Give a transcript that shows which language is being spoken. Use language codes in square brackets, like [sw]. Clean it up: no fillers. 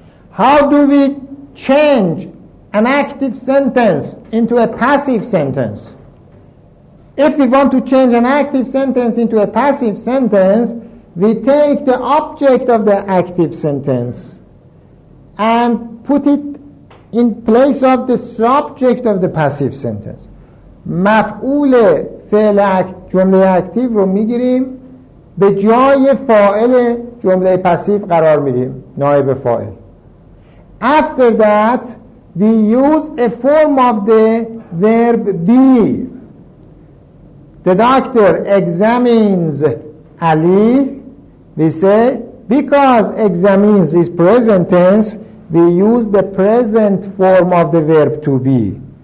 [en] How do we change an active sentence into a passive sentence? If we want to change an active sentence into a passive sentence, we take the object of the active sentence and put it in place of the subject of the passive sentence. [fa] مفعول فعل جمله اکتیو رو میگیریم به جای فاعل جمله پسیو قرار میدیم، نائب فاعل. [en] After that we use a form of the verb be. The doctor examines Ali. We say because examines is present tense, we use the present form of the verb to be.